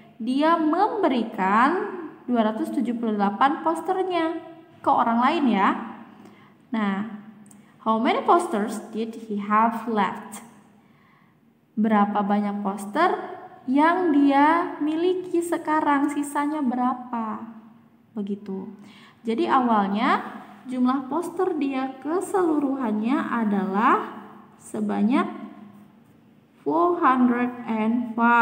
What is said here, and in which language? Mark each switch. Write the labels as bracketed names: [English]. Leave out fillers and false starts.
[Indonesian] Dia memberikan 278 posternya ke orang lain ya. Nah, [English] how many posters did he have left? [Indonesian] Berapa banyak poster yang dia miliki sekarang? Sisanya berapa? Begitu. Jadi awalnya jumlah poster dia keseluruhannya adalah sebanyak 405.